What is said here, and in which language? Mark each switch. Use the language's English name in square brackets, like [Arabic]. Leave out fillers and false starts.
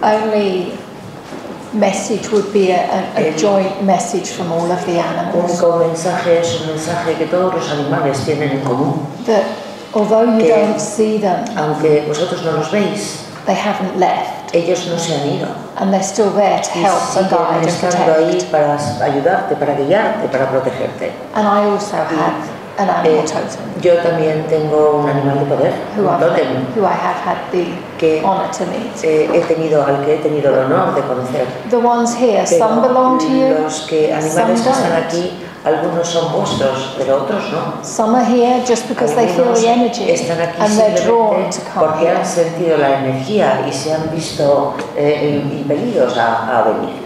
[English] only message would be a joint message from all of the animals. [Spanish] Único mensaje es un mensaje que todos los animales tienen en común. [English] That although you don't see them, [Spanish] aunque vosotros no los veis, [English] they haven't left. [Spanish] Ellos no se han ido. [English] And they're still there to help and guide and protect. [Spanish] Están ahí para ayudarte, para guiarte, para protegerte. [English] And I also have an animal totem. [Spanish] Yo también tengo un animal de poder, un tótem, [English] who I have had the honor to meet. [Spanish] He tenido al que he tenido el honor de conocer. [English] The ones here, [Spanish] pero [English] some belong to you. [Spanish] Los que animales que están aquí, algunos son vuestros, pero otros no. [English] Some are here just because [Spanish] algunos [English] they feel the energy [Spanish] están aquí [English] and they're drawn to come. [Spanish] Porque han sentido la energía y se han visto impelidos a venir.